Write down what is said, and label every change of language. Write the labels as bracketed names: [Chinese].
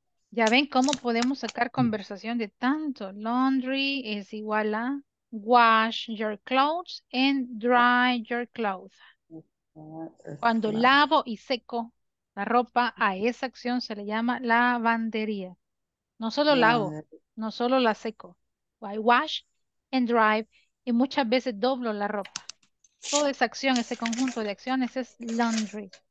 [Spanish] Ya ven cómo podemos sacar conversación de tanto. [English] Laundry [Spanish] es igual a [English] wash your clothes and dry your clothes. [Spanish] Cuando lavo y seco la ropa, a esa acción se le llama lavandería. No solo lavo, no solo la seco. [English] I wash and dry, [Spanish] y muchas veces doblo la ropa. Toda esa acción, ese conjunto de acciones es laundry.